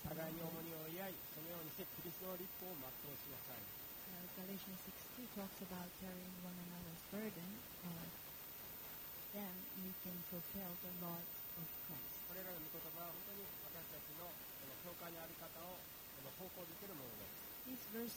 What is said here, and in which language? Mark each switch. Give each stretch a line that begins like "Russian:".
Japanese: 互いに重荷を負い、そのようにしてキリストの律法を全うしなさい。
English: Galatians 6 2 talks about carrying one another's burden, then you can fulfill the law of Christ.
Japanese: これらの御言葉は本当に私たちの教会のあり方を方向づけるものです。